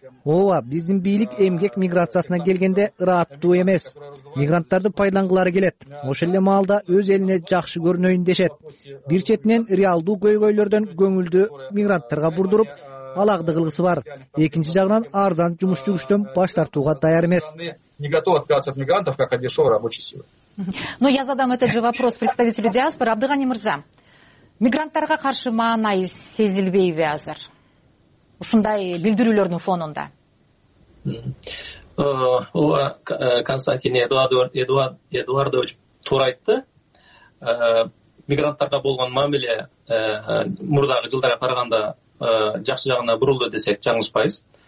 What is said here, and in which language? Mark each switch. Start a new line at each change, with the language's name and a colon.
Kyrgyz: Ооба, биздин бийлик эмгек миграциясына келгенде ыраттуу эмес. Мигранттарды пайдалангылары келет. Ошол эле маалда өз элине жакшы көрүнөйүн дешет. Бир четинен реалдуу көйгөйлөрдөн көңүлдү мигранттарга бурдуруп, алагдыгылысы бар. Экинчи жагынан арзан жумуш жүгүштөн баш тартууга даяр эмес.
Russian: Не готов отказаться от мигрантов как от дешевой рабочей силы. Но я задам этот же вопрос представителю диаспоры Абдыгани Мырза.
Kyrgyz: Мигранттарга каршы маанай сезилбейби азыр? Ушундай билдирүүлөрдүн фонунда. Константин Эдуардович туура айтты. Мигранттарга болгон мамиле мурдагы жылдарга караганда жакшы жагына бурулду десек жаңылышпайбыз.